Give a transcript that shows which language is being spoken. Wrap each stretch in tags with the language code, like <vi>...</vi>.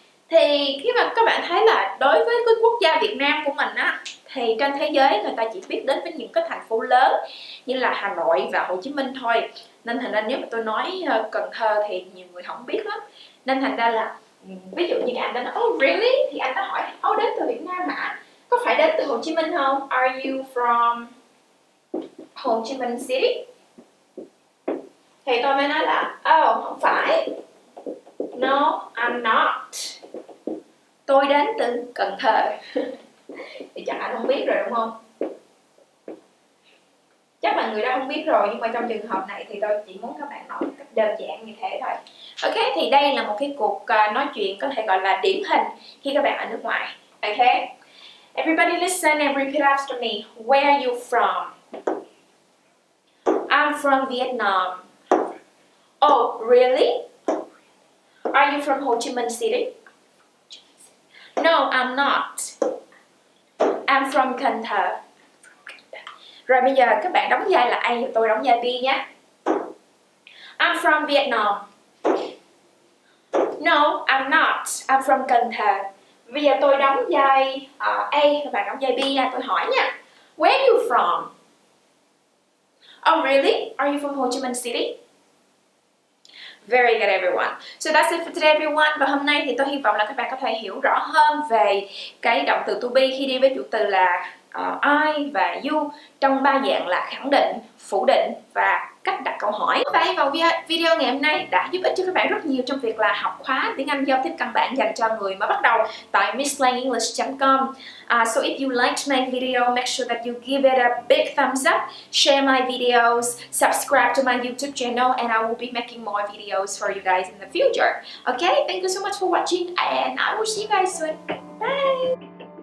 <vi>Thì khi mà các bạn thấy là đối với cái quốc gia Việt Nam của mình á, thì trên thế giới người ta chỉ biết đến với những cái thành phố lớn như là Hà Nội và Hồ Chí Minh thôi. Nên thành ra nếu mà tôi nói Cần Thơ thì nhiều người không biết lắm. Nên thành ra là ví dụ như anh ta nói</vi> <en>oh really?</en> <vi>Thì anh ta hỏi oh đến từ Việt Nam hả? Có phải đến từ Hồ Chí Minh không?</vi> <en>Are you from Hồ Chí Minh City?</en> <vi>Thì tôi mới nói là oh không phải.</vi> <en>No, I'm not.</en> <vi>Tôi đến từ Cần Thơ. Thì chắc anh không biết rồi đúng không? Chắc là người đó không biết rồi, nhưng mà trong trường hợp này thì tôi chỉ muốn các bạn nói cách đơn giản như thế thôi. Ok, thì đây là một cái cuộc nói chuyện có thể gọi là điển hình khi các bạn ở nước ngoài.</vi> <en>Ok, everybody listen and repeat after me. Where are you from? I'm from Vietnam. Oh, really? Are you from Ho Chi Minh City? No, I'm not. I'm from Cần Thơ.</en> <vi>Rồi bây giờ các bạn đóng vai là A và tôi đóng vai B nhé.</vi> <en>I'm from Vietnam. No, I'm not. I'm from Cần Thơ.</en> <vi>Bây giờ tôi đóng vai A, các bạn đóng vai B nha. Tôi hỏi nha.</vi> <en>Where are you from? Oh, really? Are you from Ho Chi Minh City? Very good everyone. So that's it for today everyone.</en> <vi>Và hôm nay thì tôi hy vọng là các bạn có thể hiểu rõ hơn về cái động từ to be khi đi với chủ từ là I và you trong ba dạng là khẳng định, phủ định và cách đặt câu hỏi. Và hy vọng video ngày hôm nay đã giúp ích cho các bạn rất nhiều trong việc là học khóa tiếng Anh giao tiếp căn bản dành cho người mới bắt đầu tại misslangenglish.com.</vi> <en>So if you liked my video, make sure that you give it a big thumbs up, share my videos, subscribe to my YouTube channel, and I will be making more videos for you guys in the future. Okay, thank you so much for watching, and I will see you guys soon. Bye!</en>